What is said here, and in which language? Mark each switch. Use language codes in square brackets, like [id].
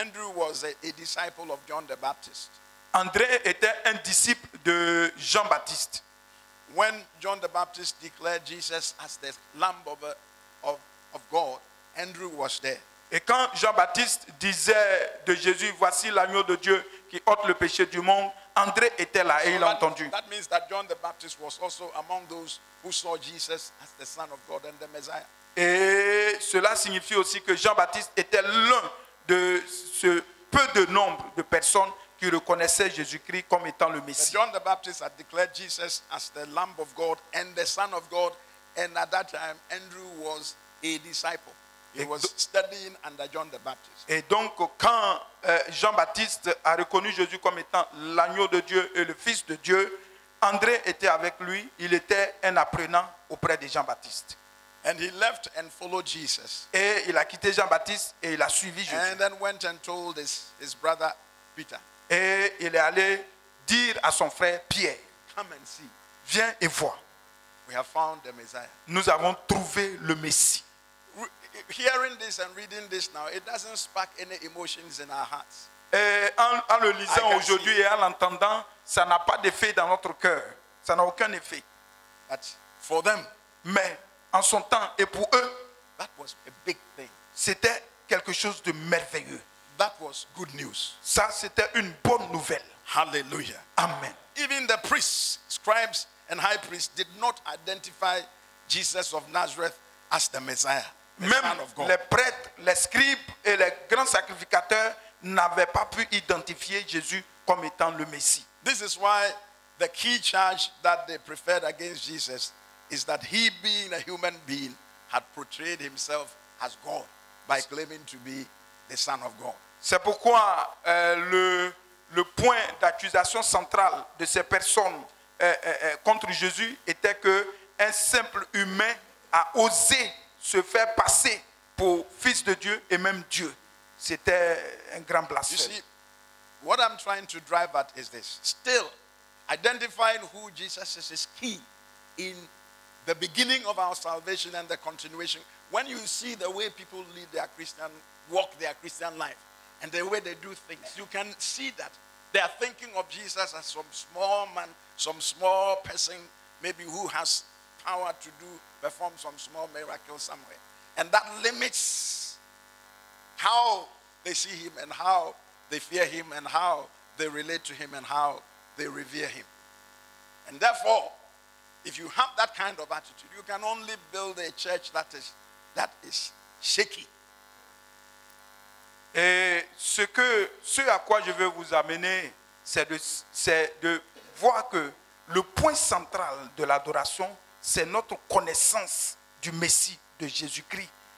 [en] Andrew was a disciple of John the Baptist. [fr] André était un disciple de Jean-Baptiste. [en] When John the Baptist declared Jesus as the Lamb of God, Andrew was there. [fr] Et quand Jean-Baptiste disait de Jésus, voici l'agneau de Dieu qui ôte le péché du monde, André était là et il l'a entendu. [en] That means that John the Baptist was also among those who saw Jesus as the Son of God and the Messiah. [fr] Et cela signifie aussi que Jean-Baptiste était l'un de ce peu de nombre de personnes qui reconnaissaient Jésus-Christ comme étant le Messie. [en] John the Baptist had declared Jesus as the Lamb of God and the Son of God, and at that time Andrew was a disciple. He was studying under John the Baptist. [fr] Et donc quand Jean-Baptiste a reconnu Jésus comme étant l'agneau de Dieu et le Fils de Dieu, André était avec lui, il était un apprenant auprès de Jean-Baptiste. [en] And he left and followed Jesus. [fr] Et il a quitté Jean-Baptiste et il a suivi Jésus. [en] And then went and told his brother Peter. [fr] Et il est allé dire à son frère Pierre, [en] come and see. [fr] Viens et vois. [en] We have found the Messiah. [fr] Nous avons trouvé le Messie. [en] Hearing this and reading this now, it doesn't spark any emotions in our hearts. [fr] En le lisant aujourd'hui et en l'entendant, ça n'a pas d'effet dans notre cœur. Ça n'a aucun effet. [en] But for them, [fr] mais en son temps et pour eux, [en] that was a big thing. [fr] C'était quelque chose de merveilleux. [en] That was good news. [fr] Ça, c'était une bonne nouvelle. Hallelujah. Amen. [en] Even the priests, scribes, and high priests did not identify Jesus of Nazareth as the Messiah. [fr] même les prêtres, les scribes et les grands sacrificateurs n'avaient pas pu identifier Jésus comme étant le Messie. [en] This is why the key charge that they preferred against Jesus is that he, being a human being, had portrayed himself as God by claiming to be the Son of God. [fr] C'est pourquoi le point d'accusation central de ces personnes contre Jésus était que un simple humain a osé se faire passer pour fils de Dieu et même Dieu. C'était un grand blasphème. [en] You see, what I'm trying to drive at is this. Still, identifying who Jesus is key in the beginning of our salvation and the continuation. When you see the way people live their Christian, walk their Christian life, and the way they do things, you can see that they are thinking of Jesus as some small man, some small person, maybe who has power to do, perform some small miracle somewhere. And that limits how they see him and how they fear him and how they relate to him and how they revere him. And therefore, if you have that kind of attitude, you can only build a church that is shaky. [fr] Et ce à quoi je veux vous amener, c'est de voir que le point central de l'adoration, c'est notre connaissance du Messie, de Jésus-Christ.